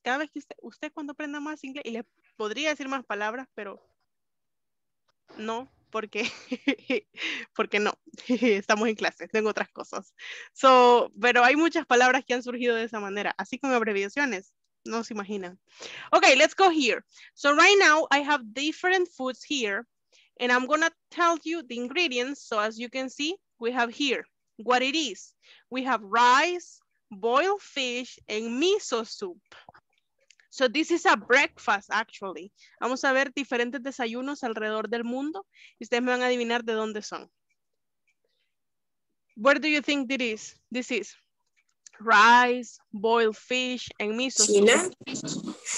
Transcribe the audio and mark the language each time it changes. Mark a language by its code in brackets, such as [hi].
[es] Cada vez que usted cuando aprenda más inglés, y le podría decir más palabras, pero... No, porque no, estamos en clase, tengo otras cosas. So, pero hay muchas palabras que han surgido de esa manera, así con abreviaciones, no se imaginan. [en] Okay, let's go here. So right now I have different foods here and I'm gonna tell you the ingredients. So as you can see, we have here what it is. We have rice, boiled fish, and miso soup. So this is a breakfast, actually. [es] Vamos a ver diferentes desayunos alrededor del mundo y ustedes me van a adivinar de dónde son. [en] Where do you think this is? This is rice, boiled fish, and miso soup.